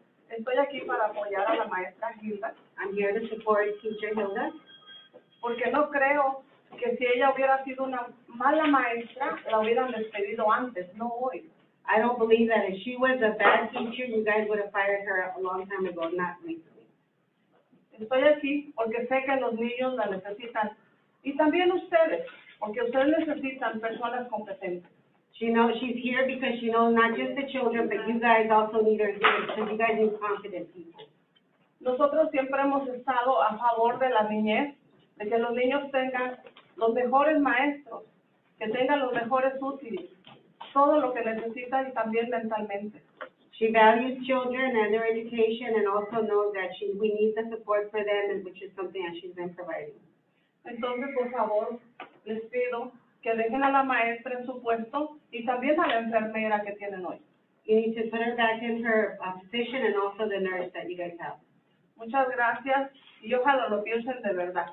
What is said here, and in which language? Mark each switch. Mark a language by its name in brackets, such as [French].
[Spanish] Estoy aquí para apoyar a la maestra Hilda. [English] I'm here to support teacher Hilda. [Spanish] Porque no creo que si ella hubiera sido una mala maestra, la hubieran despedido antes, no hoy. [English] I don't believe that if she was a bad teacher, you guys would have fired her a long time ago, not recently. [Spanish] Estoy aquí porque sé que los niños la necesitan. Y también ustedes, porque ustedes necesitan personas competentes. [English] She's here because she knows not just the children, but you guys also need her here because you guys need competent people. [Spanish] Nosotros siempre hemos estado a favor de la niñez, de que los niños tengan los mejores maestros, que tengan los mejores útiles, todo lo que necesitan y también mentalmente. [English] She values children and their education and also knows that we need the support for them, which is something that she's been providing. [Spanish] Entonces, por favor, les pido que dejen a la maestra en su puesto y también a la enfermera que tienen hoy. [English] You need to put her back in her position and also the nurse that you guys have. [Spanish] Muchas gracias y ojalá lo piensen de verdad.